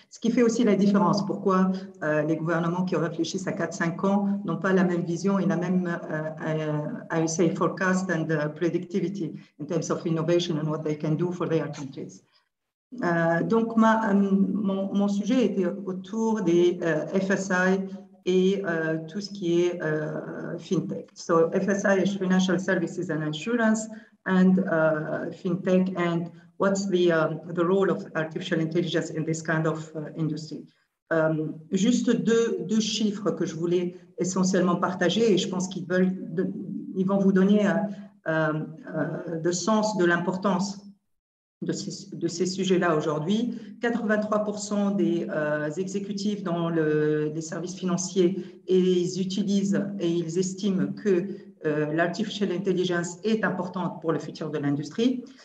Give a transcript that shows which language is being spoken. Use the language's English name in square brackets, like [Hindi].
[French] Ce qui fait aussi la différence, pourquoi les gouvernements qui réfléchissent à 4-5 ans n'ont pas la même vision et la même, [English] I say, forecast and predictivity in terms of innovation and what they can do for their countries. [French] Donc, mon sujet était autour des FSI et tout ce qui est fintech. [English] So, FSI is Financial Services and Insurance, and fintech, and what's the role of artificial intelligence in this kind of industry? [French] Juste deux chiffres que je voulais essentiellement partager, et je pense ils vont vous donner le sens de l'importance de ces sujets-là aujourd'hui. 83% des exécutifs dans les services financiers, ils utilisent et ils estiment que l'artificial intelligence est importante pour le futur de l'industrie.